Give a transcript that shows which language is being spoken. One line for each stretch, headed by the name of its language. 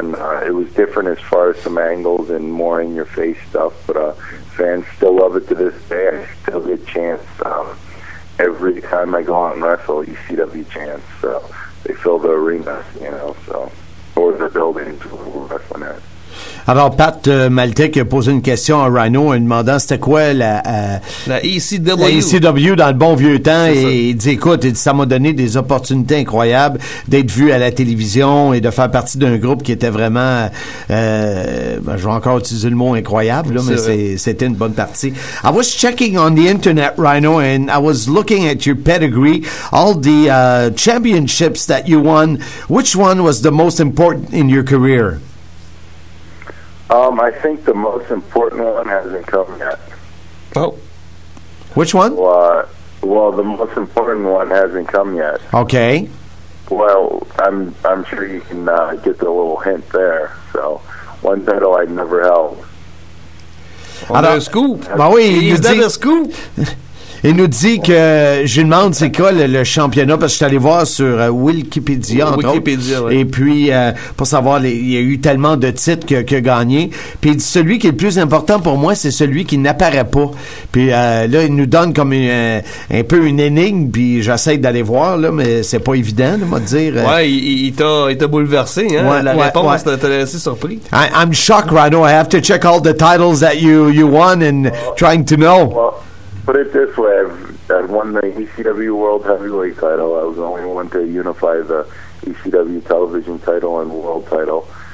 English: And it was different as far as some angles and more in-your-face stuff, but fans still love it to this day. I still get chance every time I go out and wrestle, ECW chance. So they fill the arena, you know, so or the buildings where we're wrestling at.
French: Alors, Pat Maltic a posé une question à Rhino en demandant c'était quoi la ECW dans le bon vieux temps. C'est et ça. Il dit écoute, il dit, ça m'a donné des opportunités incroyables d'être vu à la télévision et de faire partie d'un groupe qui était vraiment, je vais encore utiliser le mot incroyable, là, mais c'était une bonne partie.
English: I was checking on the internet, Rhino, and I was looking at your pedigree, all the championships that you won. Which one was the most important in your career? I think the most important one hasn't come yet. Oh. Which one? Well, the most important one hasn't come yet. Okay. Well, I'm sure you can get the little hint there. So, one title I never held. Scoop.
French: Il nous dit que, je lui demande c'est quoi le championnat, parce que je suis allé voir sur Wikipédia, entre autres. Wikipédia, ouais. Et puis, pour savoir, il y a eu tellement de titres qu'il a gagné. Puis il dit, celui qui est le plus important pour moi, c'est celui qui n'apparaît pas. Puis là, il nous donne comme un peu une énigme, puis j'essaie d'aller voir, là, mais c'est pas évident, on va dire. Ouais, il t'a bouleversé, hein. Ouais, la réponse, ouais. T'a laissé surpris.
English: I'm shocked right now. I have to check all the titles that you won and trying to know. Put it this way, I've won the ECW World Heavyweight title. I was the only one to unify the ECW television title and world title.